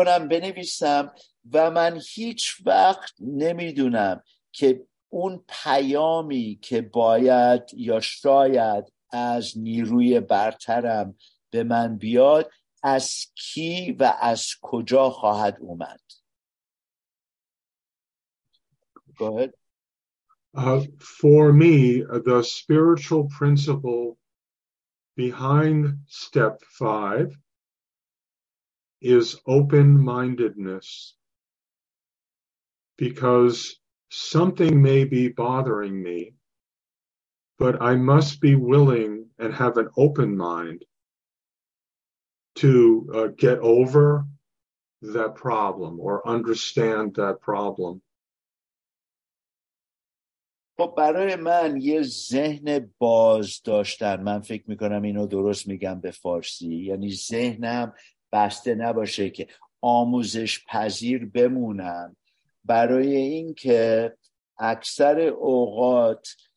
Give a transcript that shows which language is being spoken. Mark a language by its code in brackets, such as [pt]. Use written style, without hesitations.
[fa] بنویسم و من هیچ وقت نمیدونم که اون پیامی که باید یا شاید از نیروی برترم به من بیاد از کی و از کجا خواهد اومد. [en] Go ahead. For me, the spiritual principle behind step 5 is open-mindedness, because something may be bothering me, but I must be willing and have an open mind to get over that problem or understand that problem. [fa] خب برای من یه ذهن باز داشتن، من فکر میکنم اینو درست میگم به فارسی، یعنی ذهنم بسته نباشه که آموزش پذیر بمونم، برای این که اکثر اوقات